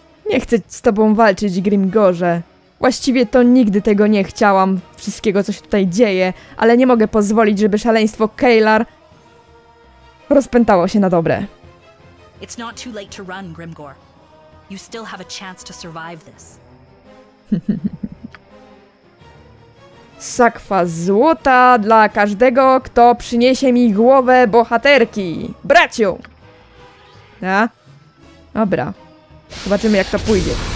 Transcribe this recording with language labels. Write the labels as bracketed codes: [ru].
[pl] Nie chcę z tobą walczyć, Grimgorze. Właściwie to nigdy tego nie chciałam, wszystkiego co się tutaj dzieje, ale nie mogę pozwolić, żeby szaleństwo Kaelar rozpętało się na dobre. [en] It's not too late to run, Grimgor. You still have a chance to survive this. [pl] Sakwa złota dla każdego, kto przyniesie mi głowę bohaterki. Braciu! A? Dobra. Zobaczymy, jak to pójdzie.